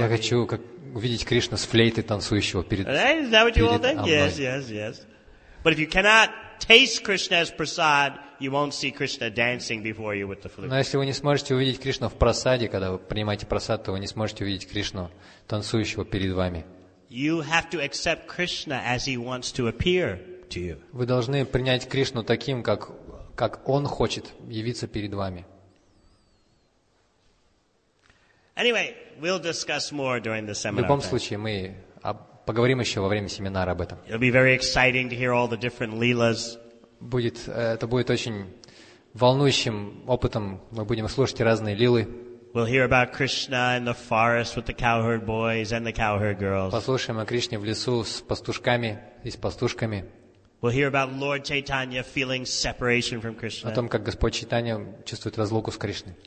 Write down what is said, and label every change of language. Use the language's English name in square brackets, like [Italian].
[Russian] Я хочу увидеть Кришну с флейтой танцующего перед мной. [English] Is that what you all think? Yes, yes, yes. But if you cannot taste Krishna as prasad, you won't see Krishna dancing before you with the flute. [Russian] Но если вы не сможете увидеть Кришну в прасаде, когда вы принимаете прасад, то вы не сможете увидеть Кришну танцующего перед вами. [English] You have to accept Krishna as he wants to appear to you. [Russian] Вы должны принять Кришну таким, как он хочет явиться перед вами. [English] Anyway, we'll discuss more during the seminar. [Russian] В любом случае мы поговорим еще во время семинара об этом. [English] It'll be very exciting to hear all the different leelas. [Russian] Это будет очень волнующим опытом. Мы будем слушать разные лилы. [English] We'll hear about Krishna in the forest with the cowherd boys and the cowherd girls. [Russian] Послушаем о Кришне в лесу с пастушками и с пастушками. [English] We'll hear about Lord Chaitanya feeling separation from Krishna. [Russian] О том, как Господь Чайтанья чувствует разлуку с Кришной.